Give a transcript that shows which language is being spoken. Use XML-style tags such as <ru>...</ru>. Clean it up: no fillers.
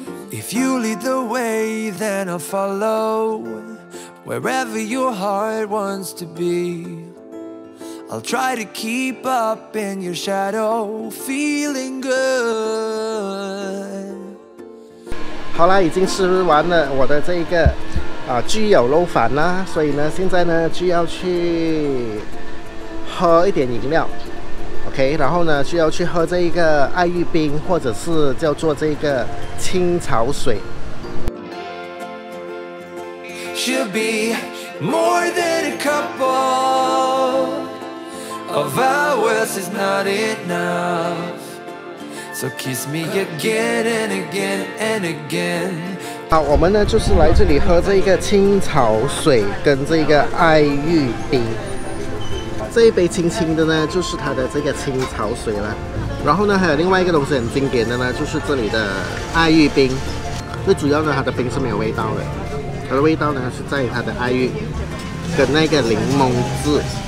<en>If you lead the way, then I'll follow wherever your heart wants to be. I'll try to keep up in your shadow, feeling good.</en> <zh>好啦，已经吃完了我的这一个啊猪油肉饭啦，所以呢，现在呢就要去喝一点饮料 ，OK， 然后呢就要去喝这一个爱玉冰，或者是叫做这个青草水。</zh> <en>Should be more than a couple. Of hours is not enough. So kiss me again and again and again.</en> <zh>好，我们呢就是来这里喝这个青草水跟这个爱玉冰。这一杯青青的呢，就是它的这个青草水了。然后呢，还有另外一个东西很经典的呢，就是这里的爱玉冰。最主要呢，它的冰是没有味道的，它的味道呢是在于它的爱玉跟那个柠檬汁。</zh>